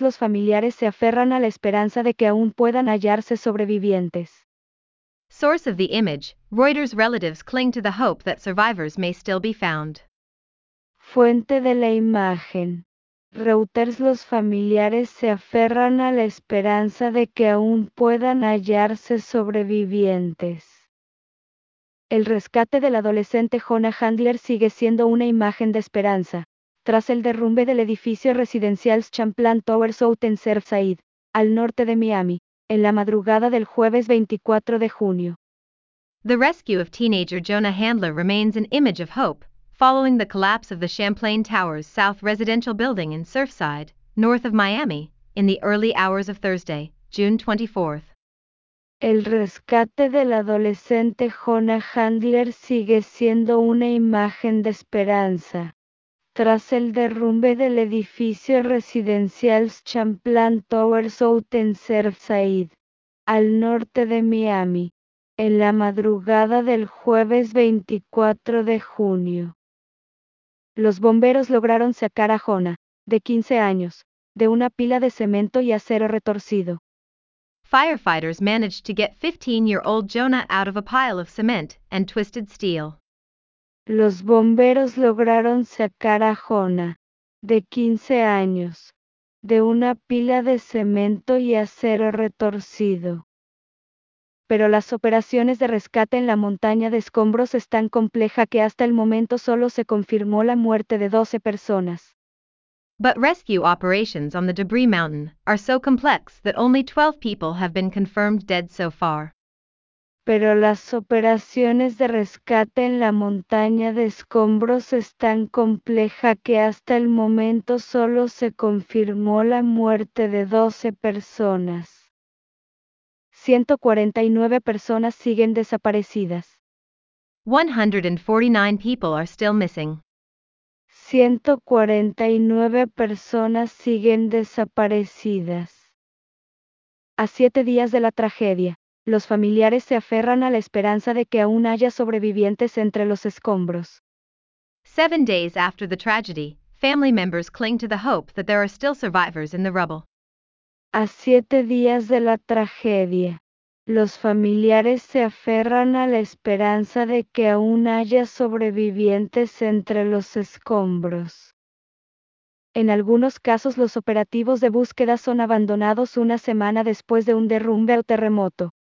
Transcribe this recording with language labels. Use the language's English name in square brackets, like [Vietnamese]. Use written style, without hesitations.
[Spanish] Los familiares se aferran a la esperanza de que aún puedan hallarse sobrevivientes. [English] Source of the image, Reuters. Relatives cling to the hope that survivors may still be found. [Spanish] Fuente de la imagen. Reuters. Los familiares se aferran a la esperanza de que aún puedan hallarse sobrevivientes. El rescate del adolescente Jonah Handler sigue siendo una imagen de esperanza. Tras el derrumbe del edificio residencial Champlain Towers Outen en Surfside, al norte de Miami, en la madrugada del jueves 24 de junio. [English] The rescue of teenager Jonah Handler remains an image of hope, following the collapse of the Champlain Towers South residential building in Surfside, north of Miami, in the early hours of Thursday, June 24. [Spanish] El rescate del adolescente Jonah Handler sigue siendo una imagen de esperanza. Tras el derrumbe del edificio residencial Champlain Towers Outen Surfside, al norte de Miami, en la madrugada del jueves 24 de junio. Los bomberos lograron sacar a Jonah, de 15 años, de una pila de cemento y acero retorcido. [English] Firefighters managed to get 15-year-old Jonah out of a pile of cement and twisted steel. [Spanish] Los bomberos lograron sacar a Jonah, de 15 años, de una pila de cemento y acero retorcido. Pero las operaciones de rescate en la montaña de escombros es tan compleja que hasta el momento solo se confirmó la muerte de 12 personas. [English] But rescue operations on the debris mountain are so complex that only 12 people have been confirmed dead so far. [Spanish] Pero las operaciones de rescate en la montaña de escombros es tan compleja que hasta el momento solo se confirmó la muerte de 12 personas. 149 personas siguen desaparecidas. [English] 149 people are still missing. [Spanish] 149 personas siguen desaparecidas. A 7 días de la tragedia. Los familiares se aferran a la esperanza de que aún haya sobrevivientes entre los escombros. [English] 7 days after the tragedy, family members cling to the hope that there are still survivors in the rubble. [Spanish] A 7 días de la tragedia, los familiares se aferran a la esperanza de que aún haya sobrevivientes entre los escombros. En algunos casos, los operativos de búsqueda son abandonados una semana después de un derrumbe o terremoto.